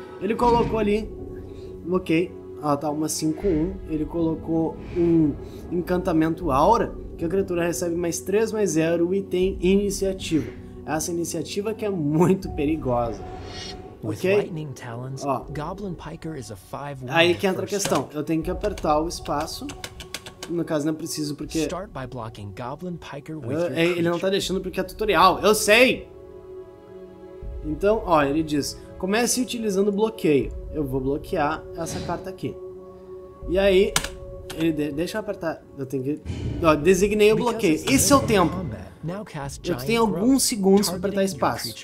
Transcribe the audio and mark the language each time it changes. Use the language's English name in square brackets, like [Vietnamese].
[Portuguese] Ele colocou ali, ok. Ela tá uma 5-1, ele colocou um encantamento aura, que a criatura recebe mais 3, mais 0 e tem iniciativa. Essa iniciativa que é muito perigosa, ok? Talons, ó, [English] Goblin Piker is a 5-1. [Portuguese] Aí que entra a questão, eu tenho que apertar o espaço, no caso não preciso porque... [English] Start by blocking Goblin Piker with your creature. [Portuguese] Ele não tá deixando porque é tutorial, eu sei! Então, ó, ele diz, comece utilizando bloqueio. Eu vou bloquear essa carta aqui. E aí, ele deixa eu apertar. Eu tenho que... Ó, designei o bloqueio. Esse é o tempo. Eu tenho alguns segundos para apertar espaço.